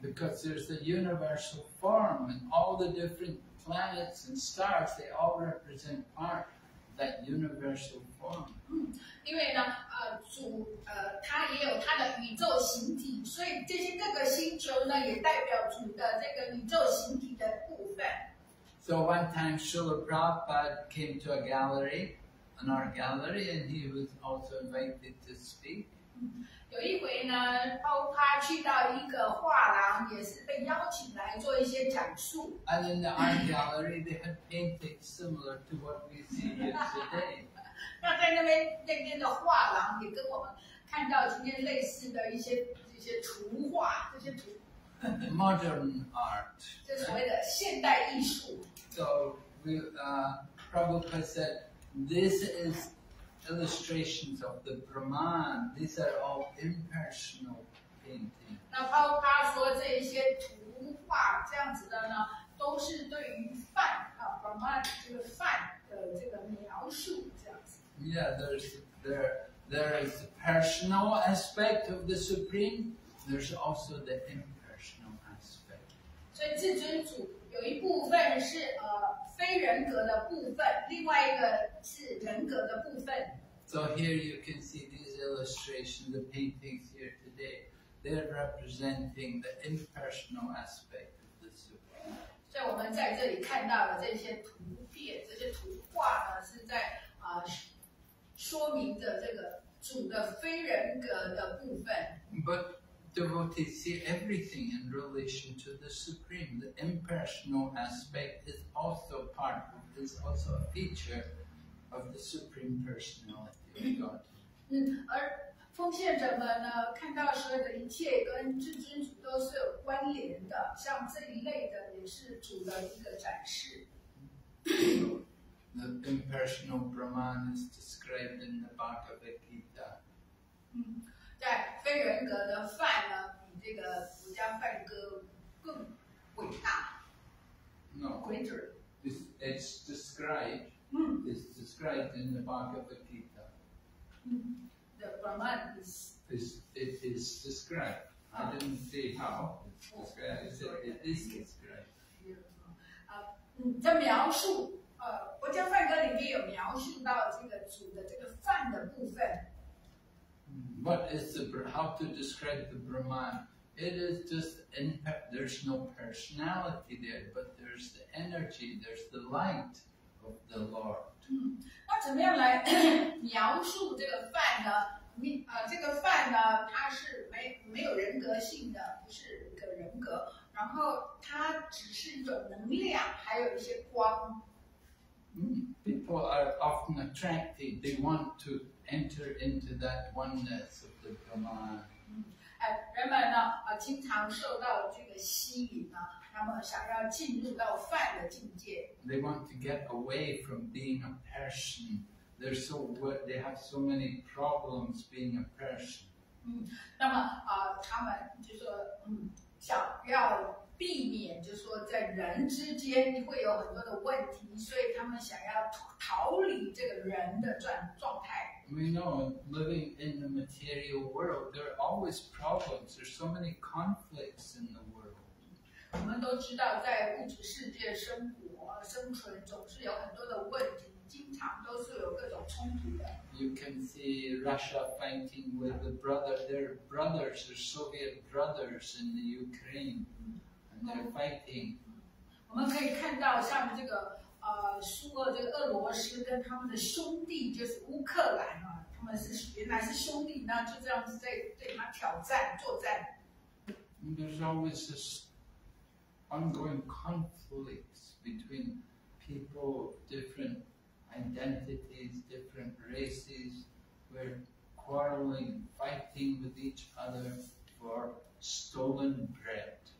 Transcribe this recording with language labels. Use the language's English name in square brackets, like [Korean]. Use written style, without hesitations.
[English] Because there's a universal form, and all the different planets and stars, they all represent part of that universal form. [Chinese] 因为呢，主，他也有他的宇宙形体，所以这些各个星球呢，也代表主的这个宇宙形体的部分。 [English] So one time Srila Prabhupada came to a gallery, an art gallery, and he was also invited to speak. [Chinese] 有一回呢，他去到一个画廊，也是被邀请来做一些讲述。 [English] And in the art gallery, they had paintings similar to what we see here today. [Chinese] 那在那边的画廊，也跟我们看到今天类似的一些图画，这些图。 [English] Modern art. [Chinese] 就所谓的现代艺术。 [English] So we Prabhupada said, this is illustrations of the Brahman, these are all impersonal paintings. [Chinese] 那包括他说这一些图画这样子的呢，都是对于梵啊 Brahman 这个梵的这个描述这样子。 [English] Yeah, there is the personal aspect of the Supreme. There's also the impersonal aspect. [Chinese] 所以至尊主有一部分是非人格的部分，另外一个是人格的部分。 [English] So here you can see these illustrations, the paintings here today. They're representing the impersonal aspect of the Supreme. [Chinese] 所以我们在这里看到的这些图片，这些图画呢，是在说明的这个主的非人格的部分。 [English] But devotees see everything in relation to the Supreme. The impersonal aspect is also part of, is also a feature of the Supreme Personality of God. [Chinese] 而奉献者们呢，看到所有的一切跟至尊主都是有关联的，像这一类的也是主的一个展示。 [English] The impersonal Brahman is described in the Bhagavad Gita. [Chinese] 在非人格的梵呢，比这个儒家梵歌更伟大。 [English] No. Greater. It's described. It's described in the Bhagavad Gita. The Brahman is. It is described. I didn't see how it's described. It is described. Yeah. [Chinese] 的描述。国家梵歌里面有描述到这个主的这个梵的部分。 [English] What is the how to describe the Brahman? It is just in, there's no personality there, but there's the energy, there's the light of the Lord. [Chinese] 那怎么样来描述这个梵呢？这个梵呢，它是没有人格性的，不是一个人格，然后它只是一种能量，还有一些光。 [English] People are often attracted, they want to enter into that oneness of the Brahman. [Chinese] 人们呢经常受到这个吸引呢，那么想要进入到梵的境界。 [English] They want to get away from being a person. They're so good, they have so many problems being a person. [Chinese] 那么他们就说想要避免，就说在人之间会有很多的问题，所以他们想要逃离这个人的状态。 [English] We know living in the material world, there are always problems. There's so many conflicts in the world. [Chinese] 我们都知道，在物质世界生存总是有很多的问题，经常都是有各种冲突的。 [English] You can see Russia fighting with the brother. Their brothers, their Soviet brothers in the Ukraine. They're fighting. [Chinese] 我们可以看到像这个苏俄这个俄罗斯跟他们的兄弟就是乌克兰啊，他们是原来是兄弟，那就这样子在对他挑战作战。 [English] And there's always this ongoing conflicts between people of different identities, different races. We're quarreling, fighting with each other for stolen bread.